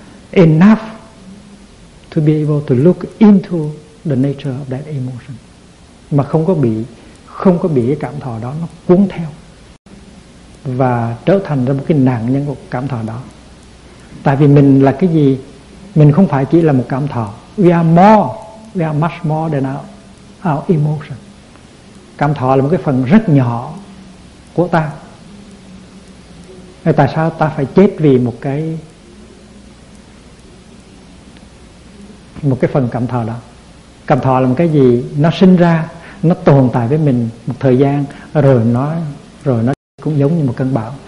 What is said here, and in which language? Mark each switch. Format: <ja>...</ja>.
<en>Enough to be able to look into the nature of that emotion.</en> <vi>Mà không có bị cái cảm thọ đó nó cuốn theo và trở thành ra một cái nạn nhân của cảm thọ đó. Tại vì mình là cái gì? Mình không phải chỉ là một cảm thọ.</vi> <en>We are much more than our emotion.</en> <vi>Cảm thọ là một cái phần rất nhỏ của ta. Thì tại sao ta phải chết vì một cái phần cảm thọ đó? Cảm thọ là một cái gì? Nó sinh ra, nó tồn tại với mình một thời gian, rồi nó cũng giống như một cơn bão.</vi>